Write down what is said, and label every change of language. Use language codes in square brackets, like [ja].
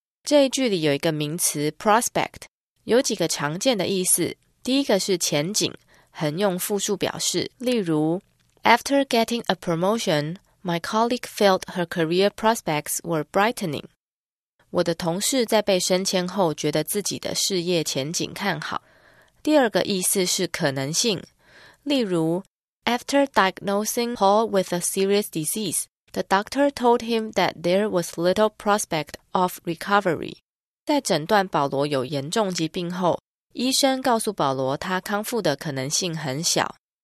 [zh] 这一句里有一个名词 prospect， 有几个常见的意思。第一个是前景，横用复数表示，例如 [en] After getting a promotion, my colleague felt her career prospects were brightening。 [zh] 我的同事在被升迁后觉得自己的事业前景看好。第二个意思是可能性，例如 [en] After diagnosing Paul with a serious disease,The doctor told him that there was little prospect of recovery. [zh] 在诊断保罗有严重疾病后，医生告诉保罗他康复的可能性很小。